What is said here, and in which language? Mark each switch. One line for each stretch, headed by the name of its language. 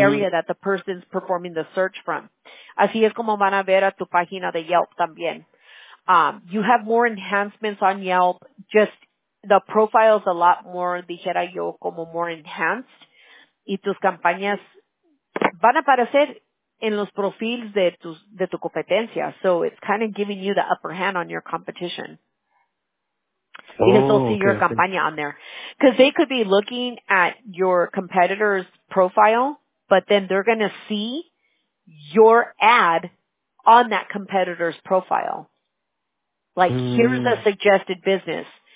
English: area that the person's performing the search from.
Spanish: Así es como van a ver a tu página de Yelp también.
English: You have more enhancements on Yelp, just the profile is a lot more,
Spanish: dijera yo, como
English: more enhanced.
Spanish: Y tus campañas van a aparecer en los perfiles de tu competencia.
English: So it's kind of giving you the upper hand on your competition. Oh, because they'll see okay. your campaña on there. Because they could be looking at your competitor's profile, but then they're going to see your ad on that competitor's profile. Like, here's a suggested business.